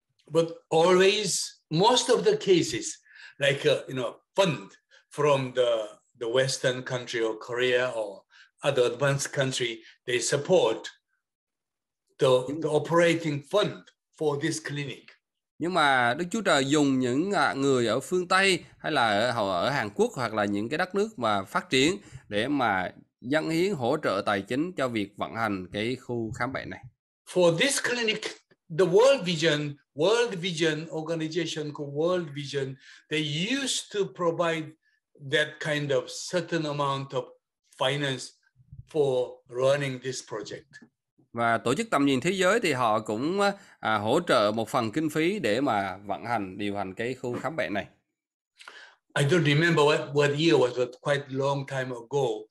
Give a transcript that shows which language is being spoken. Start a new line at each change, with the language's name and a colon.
English: But always most of the cases like you know fund from the Western country or Korea or other advanced country, they support the operating fund for this clinic.
Vietnamese: Nhưng mà Đức Chúa Trời dùng những người ở phương Tây hay là ở Hàn Quốc hoặc là những cái đất nước mà phát triển để mà dâng hiến hỗ trợ tài chính cho việc vận hành cái khu khám bệnh này.
English: For this clinic, the World Vision organization called World Vision, they used to provide that kind of certain amount of finance for running this project.
Vietnamese: Và tổ chức tầm nhìn thế giới thì họ cũng hỗ trợ một phần kinh phí để mà vận hành điều hành cái khu khám bệnh này.
English: I don't remember what year was, but quite long time ago.